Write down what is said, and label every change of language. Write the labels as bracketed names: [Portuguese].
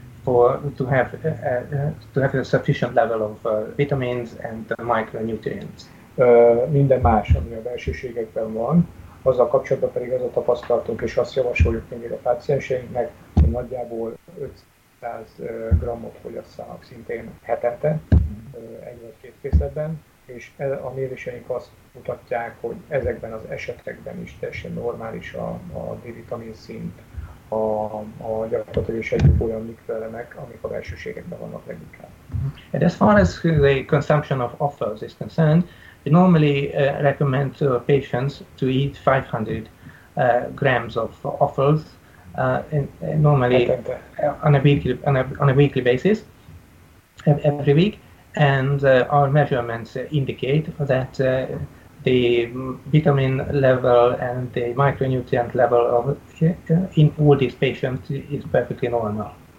[English] to have a sufficient level of vitamins and micronutrients. [Hungarian] Minden más, ami a belsőségekben van, azzal kapcsolatban pedig az a tapasztalatunk, és azt javasoljuk mindig a pácienseinknek, hogy nagyjából 500 grammot fogyasszanak szintén hetente, egy vagy két készletben, és a méréseink azt mutatják, hogy ezekben az esetekben is teljesen normális a D-vitamin szint, a gyakorlatilag is egy olyan mikroelemek, amik a belsőségekben vannak leginkább. [English] And as far as the consumption of offals is concerned, we normally recommend to our patients to eat 500 grams of offals normally on a weekly basis, every week, and our measurements indicate that the vitamin level and the micronutrient level of in all these patients is perfectly normal.